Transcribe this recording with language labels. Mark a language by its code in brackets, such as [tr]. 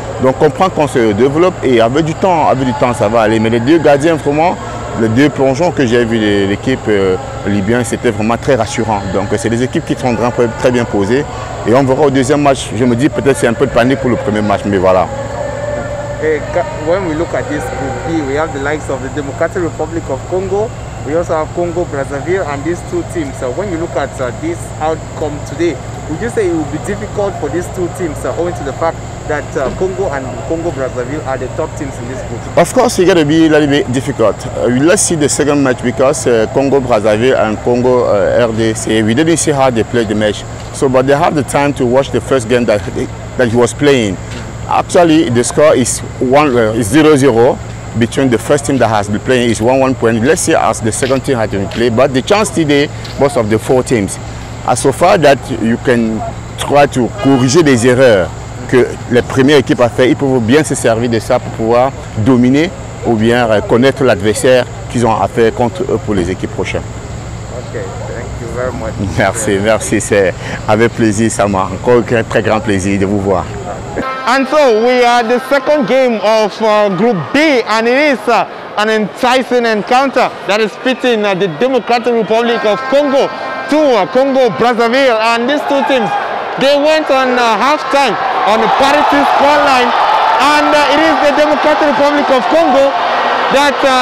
[fr] Donc on comprend qu'on se développe et avec du temps ça va aller. Mais les deux gardiens, vraiment, les deux plongeons que j'ai vu de l'équipe libyenne, c'était vraiment très rassurant. Donc c'est des équipes qui sont très bien posées. Et on verra au deuxième match, je me dis peut-être c'est un peu de panique pour le premier match, mais voilà. [en] When we look at this group B, we have the likes of the Democratic Republic of Congo, we also have Congo Brazzaville and these two teams. So when you look at this outcome today, Would you say it would be difficult for these two teams owing to the fact that Congo and Congo-Brazzaville are the top teams in this group? Of course, it's going to be a little bit difficult. Let's see the second match because Congo-Brazzaville and Congo-RDC, we didn't see how they played the match. So, but they have the time to watch the first game that he was playing. Actually, the score is 0-0 between the first team that has been playing is 1-1 point. Let's see as the second team has been played. But the chance today, most of the four teams, as so far that you can try to [fr] corriger les erreurs que les premières équipes ont fait, ils peuvent bien se servir de ça pour pouvoir dominer ou bien connaître l'adversaire qu'ils ont à faire contre eux pour les équipes prochaines. [en] Ok, thank you very much. [fr] Merci, merci. C'est avec plaisir, ça m'a encore un très grand plaisir de vous voir. [en] And so we are at the second game of Group B, and it is an enticing encounter that is pitting the Democratic Republic of Congo to Congo-Brazzaville. And these two teams, they went on halftime on the parity scoreline, and it is the Democratic Republic of Congo that.